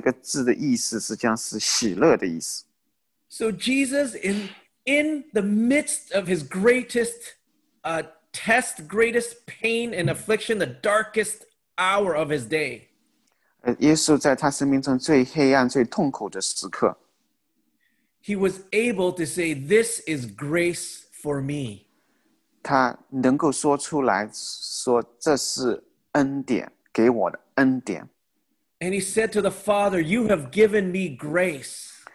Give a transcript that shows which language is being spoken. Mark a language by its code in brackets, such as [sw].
[zh] 这个它的词根，这个字的意思实际上是喜乐的意思。 [en] So Jesus, in the midst of his greatest test, greatest pain and affliction, the darkest hour of his day. [zh] 耶稣在他生命中最黑暗、最痛苦的时刻。 [en] He was able to say, "This is grace for me." [zh] 他能够说出来说这是恩典给我的恩典。And [en] he said to the Father, "You have given me grace."